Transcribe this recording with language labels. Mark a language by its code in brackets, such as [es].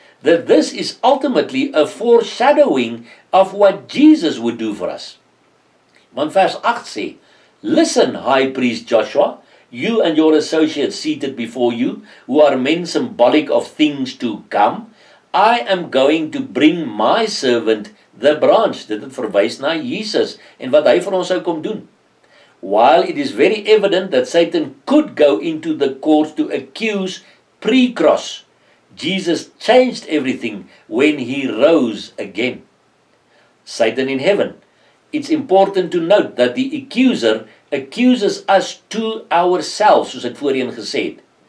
[en] that this is ultimately a foreshadowing of what Jesus would do for us. [af] Want vers 8 sê, [en] listen, high priest Joshua, you and your associates seated before you, who are men symbolic of things to come, I am going to bring my servant the branch. [af] Dit het verwys na Jesus en wat hy vir ons sou kom doen. [en] While it is very evident that Satan could go into the courts to accuse pre-cross, Jesus changed everything when he rose again. Satan in heaven. It's important to note that the accuser accuses us to ourselves, [af] soos ek voorheen gesê het.